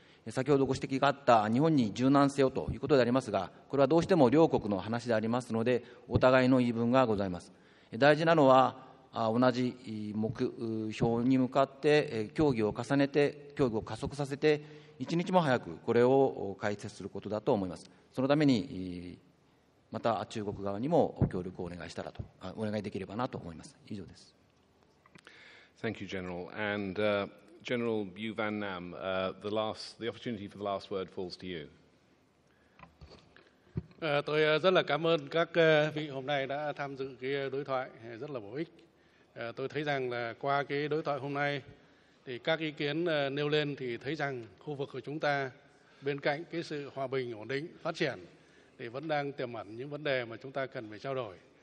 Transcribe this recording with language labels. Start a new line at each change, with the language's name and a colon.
Japanese: 先ほどご指摘があった日本に柔軟性をということでありますが、これはどうしても両国の話でありますので、お互いの言い分がございます。大事なのは、同じ目標に向かって協議を重ねて、協議を加速させて、 一日も早くこれを解説することだと思います。そのために、また中国側にも協力をお願いできればなと思います。以上です。
English: Thank you, General. And General Yu Van Nam, the opportunity for the last word falls to you.
Vietnamese: Tôi rất là cảm ơn các vị hôm nay đã tham dự cái đối thoại rất là bổ ích. Tôi thấy rằng là qua cái đối thoại hôm nay, thì các ý kiến nêu lên thì thấy rằng khu vực của chúng ta bên cạnh cái sự hòa bình, ổn định, phát triển thì vẫn đang tiềm ẩn những vấn đề mà chúng ta cần phải trao đổi.